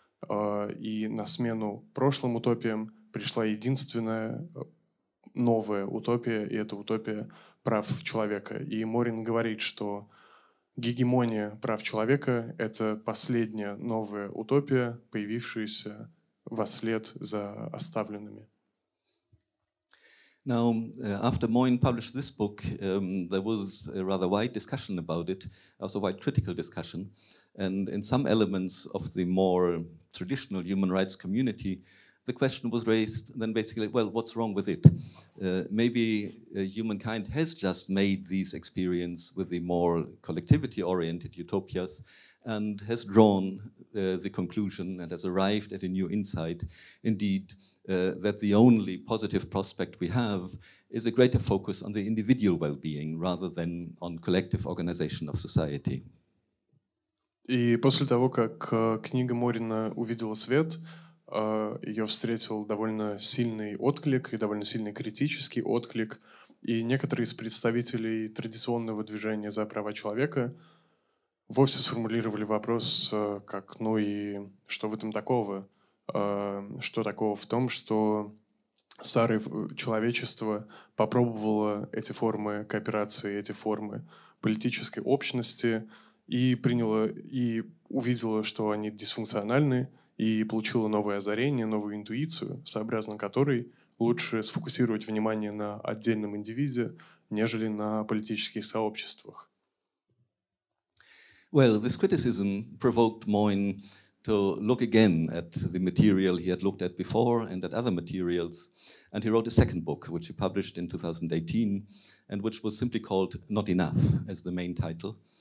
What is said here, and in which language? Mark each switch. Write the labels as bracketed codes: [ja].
[ru] И на смену прошлым утопиям пришла единственная новая утопия, и это утопия прав человека. И Морин говорит, что гегемония прав человека — это последняя новая утопия, появившаяся вослед за оставленными. [en] Now, after Moyne published this book, there was a rather wide discussion about it, also wide critical discussion. And in some elements of the more traditional human rights community, the question was raised then basically, well, what's wrong with it? Maybe humankind has just made these experience with the more collectivity-oriented utopias and has drawn the conclusion and has arrived at a new insight. Indeed, that the only positive prospect we have is a greater focus on the individual well-being rather than on collective organization of society. [ru] И после того, как книга Морина увидела свет, ее встретил довольно сильный отклик и довольно сильный критический отклик, и некоторые из представителей традиционного движения за права человека вовсе сформулировали вопрос, как «ну и что в этом такого?» Что такого в том, что старое человечество попробовало эти формы кооперации, эти формы политической общности и приняло, и увидело, что они дисфункциональны, и получило новое озарение, новую интуицию, сообразно которой лучше сфокусировать внимание на отдельном индивиде, нежели на политических сообществах. [en] Well, this criticism provoked Moyne to look again at the material he had looked at before and at other materials. And he wrote a second book, which he published in 2018, and which was simply called Not Enough as the main title.